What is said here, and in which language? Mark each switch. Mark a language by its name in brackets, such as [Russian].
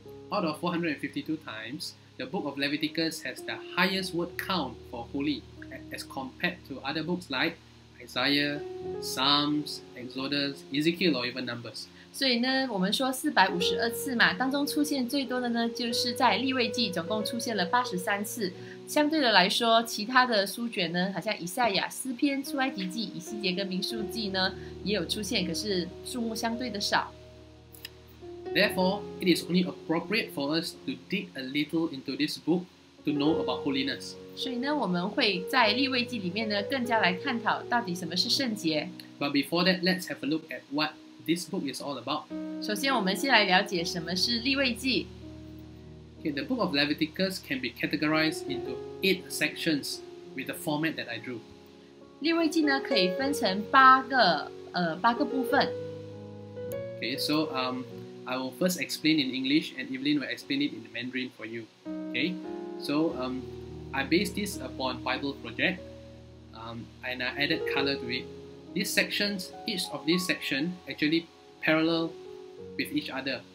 [English] Out of 452 times, the book of Leviticus has the highest word count for holy, as compared to other books like Isaiah, Psalms, Exodus, Ezekiel, or even Numbers. [Chinese] 所以呢，我们说452次嘛，当中出现最多的呢，就是在利未记，总共出现了83次。相对的来说，其他的书卷呢，好像以赛亚、诗篇、出埃及记、以西结跟民数记呢，也有出现，可是数目相对的少。 [English] Therefore, it is only appropriate for us to dig a little into this book to know about holiness. [Chinese] 所以呢，我们会在利未记里面呢，更加来探讨到底什么是圣洁。 [English] But before that, let's have a look at what. This book is all about. [Chinese] 首先我们先来了解什么是利未记。 [English] Okay, the book of Leviticus can be categorized into 8 sections with the format that I drew. [Chinese] 利未记呢可以分成八个部分。 [English] Okay, so I will first explain in English and Evelyn will explain it in Mandarin for you. Okay, so I based this upon Bible project and I added color to it. These sections, each of these sections actually parallel with each other.